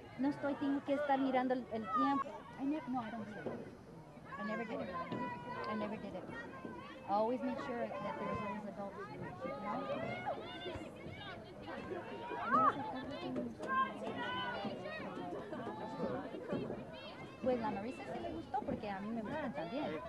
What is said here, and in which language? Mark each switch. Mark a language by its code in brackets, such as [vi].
[es] No estoy, tengo que estar mirando el tiempo. [en] I don't do it. I never did it. I always make sure that there's always adults here. [es] Pues la Marisa sí le gustó porque a mí me gusta también.